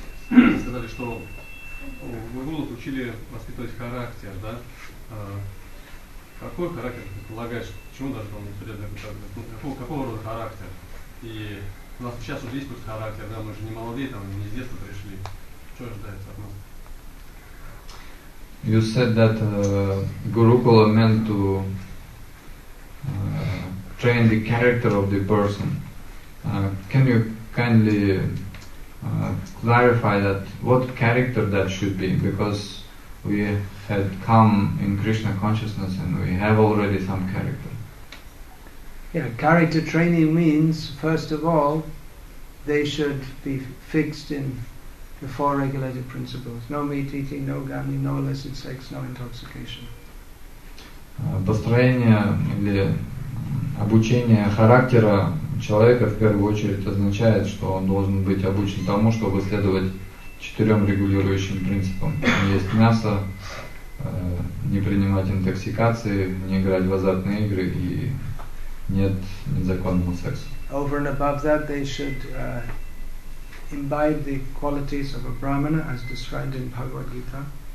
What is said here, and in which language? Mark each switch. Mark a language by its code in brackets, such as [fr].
[ru] вы сказали, что вы учили воспитывать характер, да? Какой характер ты полагаешь? Почему даже он непредвиденный характер? Ну, какого рода характер? И у нас сейчас уже есть какой-то характер, да, мы же не молодые, там, не с детства пришли. Что ожидается от нас? [en] You said that Gurukula meant to train the character of the person. Can you kindly clarify that? What character that should be? Because we had come in Krishna consciousness and we have already some character. Yeah, character training means, first of all, they should be fixed in the four regulated principles. No meat eating, no gambling, no illicit sex, no intoxication. [ru] Построение или обучение характера человека в первую очередь означает, что он должен быть обучен тому, чтобы следовать четырем регулирующим принципам. Есть мясо, не принимать интоксикации, не играть в азартные игры и нет незаконного секса. [en] Over and above that, they should imbibe the qualities of a brahmana as described in Bhagavad Gita.